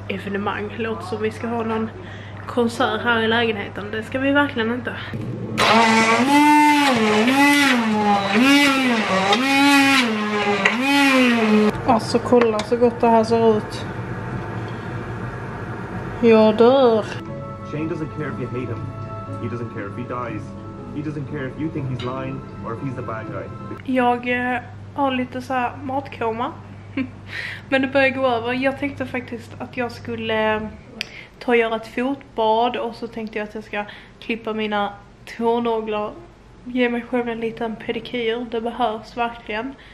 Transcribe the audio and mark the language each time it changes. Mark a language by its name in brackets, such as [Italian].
[Swedish] Evenemang, låter som vi ska ha någon konsert här i lägenheten. Det ska vi verkligen inte. Alltså kolla så gott det här ser ut. Jag dör. [English] Shane doesn't care if you hate him. He doesn't care if he dies. He doesn't care if you think he's lying or if he's the bad guy. [Swedish] Jag har lite så här matkoma. Men det börjar gå över. Jag tänkte faktiskt att jag skulle ta och göra ett fotbad och så tänkte jag att jag ska klippa mina tånaglar. Ge mig själv en liten pedikyr. Det behövs verkligen.